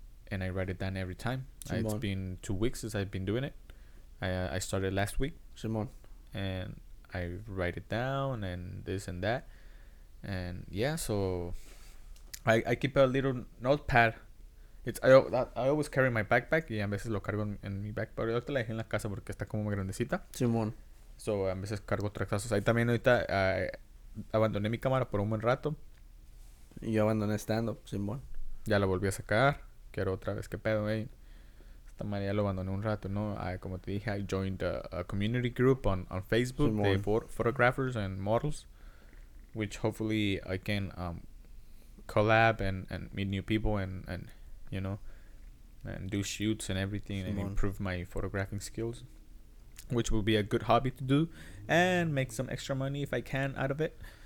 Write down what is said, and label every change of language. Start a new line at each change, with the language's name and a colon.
English: And I write it down every time. Simón. It's been 2 weeks since I've been doing it. I started last week.
Spanish: Simón.
English: And I write it down and this and that. And yeah, so I keep a little notepad. I always carry my backpack.
Spanish: Y a veces lo cargo en mi backpack. Pero ahorita la dejé en la casa porque está como muy grandecita. Simón. So a veces cargo otras cosas. Ahí también ahorita abandoné mi cámara por un buen rato. Y yo abandoné stand-up, Simón. Ya la volví a sacar. Quiero otra vez, qué pedo, güey. Esta madre ya lo abandoné un rato, ¿no?
English: Como te dije, I joined a community group on Facebook. Simón. De photographers and models, which hopefully I can collab and meet new people and you know, and do shoots and everything. Simón. And improve my photographing skills, which will be a good hobby to do and make some extra money if I can out of it.